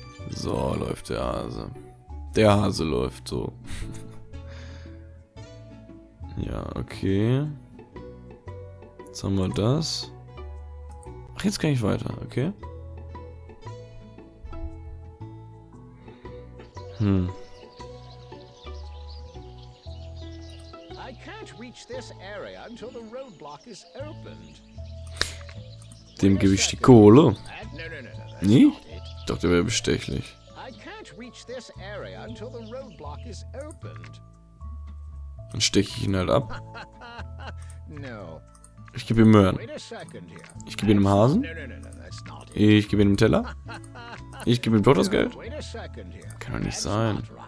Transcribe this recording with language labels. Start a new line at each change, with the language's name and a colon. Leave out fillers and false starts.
German: So läuft der Hase. Der Hase läuft so. Ja, okay. Jetzt haben wir das. Ach, jetzt kann ich weiter, okay.
English: I can't reach this area until the roadblock is opened.
German: Dem gebe ich die Kohle. Nie? Ich dachte, der wäre bestechlich.
English: I can't reach this area until the roadblock is opened.
German: Dann steche ich ihn halt ab. Ich gebe ihm Möhren. Ich gebe ihm einen Hasen. Ich gebe ihm einen Teller. Ich gebe ihm Brot das Geld. Kann doch nicht sein.